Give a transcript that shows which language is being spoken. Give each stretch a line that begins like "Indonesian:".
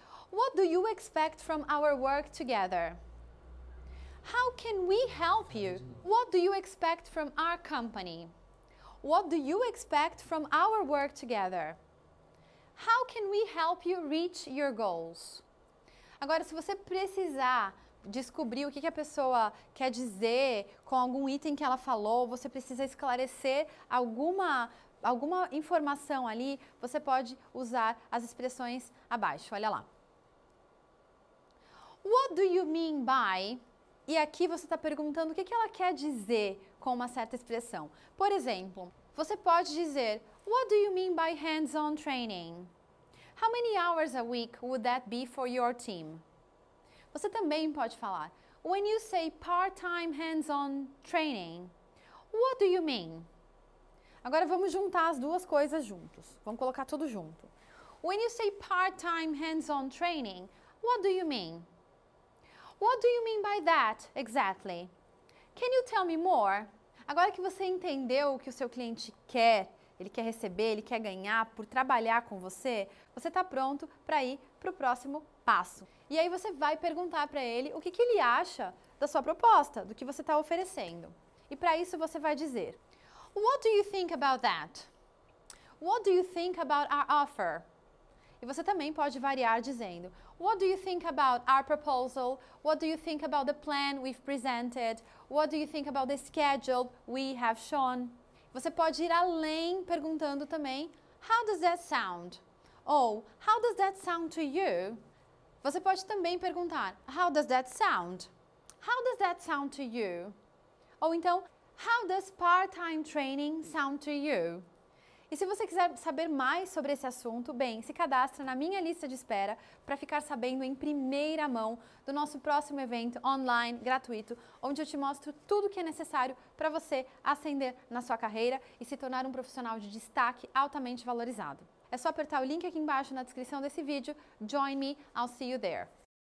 English: What do you expect from our work together? How can we help you? What do you expect from our company? What do you expect from our work together? How can we help you reach your goals?
Portuguese: Agora, se você precisar descobrir o que a pessoa quer dizer com algum item que ela falou, você precisa esclarecer alguma informação ali, você pode usar as expressões abaixo. Olha lá.
English: What do you mean by?
Portuguese: E aqui você está perguntando o que ela quer dizer com uma certa expressão. Por exemplo, você pode dizer,
English: what do you mean by hands-on training? How many hours a week would that be for your team?
Portuguese: Você também pode falar,
English: when you say part-time hands-on training, what do you mean?
Portuguese: Agora vamos juntar as duas coisas juntos. Vamos colocar tudo junto.
English: When you say part-time hands-on training, what do you mean? What do you mean by that, exactly? Can you tell me more?
Portuguese: Agora que você entendeu o que o seu cliente quer, ele quer receber, ele quer ganhar por trabalhar com você, você está pronto para ir para o próximo passo. E aí você vai perguntar para ele o que ele acha da sua proposta, do que você está oferecendo. E para isso você vai dizer,
English: what do you think about that? What do you think about our offer?
Portuguese: E você também pode variar dizendo,
English: what do you think about our proposal? What do you think about the plan we've presented? What do you think about the schedule we have shown?
Portuguese: Você pode ir além perguntando também,
English: how does that sound? Ou, how does that sound to you?
Portuguese: Você pode também perguntar,
English: how does that sound? How does that sound to you?
Portuguese: Ou então,
English: how does part-time training sound to you?
Portuguese: E se você quiser saber mais sobre esse assunto, bem, se cadastra na minha lista de espera para ficar sabendo em primeira mão do nosso próximo evento online gratuito, onde eu te mostro tudo o que é necessário para você ascender na sua carreira e se tornar um profissional de destaque altamente valorizado. É só apertar o link aqui embaixo na descrição desse vídeo.
English: Join me, I'll see you there.